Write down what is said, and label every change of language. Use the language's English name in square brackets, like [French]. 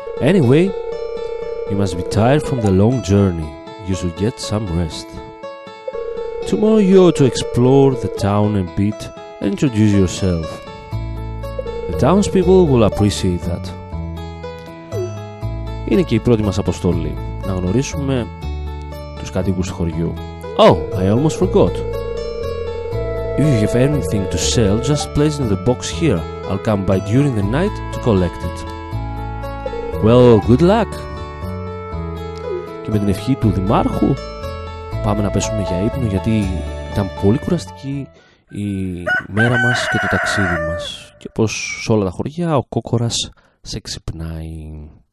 [English] Anyway, you must be tired from the long journey. You should get some rest. Tomorrow you ought to explore the town a bit and introduce yourself. The townspeople will appreciate that. [Greek] Είναι και η πρώτη μας αποστολή. Να γνωρίσουμε τους κατοίκους του χωριού. [English] Oh, I almost forgot. If you have anything to sell, just place it in the box here. I'll come by during the night to collect it. Well, good luck. [Greek] Και με την ευχή του Δημάρχου, πάμε να πέσουμε για ύπνο, γιατί ήταν πολύ κουραστική η μέρα μας και το ταξίδι μας. Και όπως σε όλα τα χωριά, ο κόκορας σε ξυπνάει.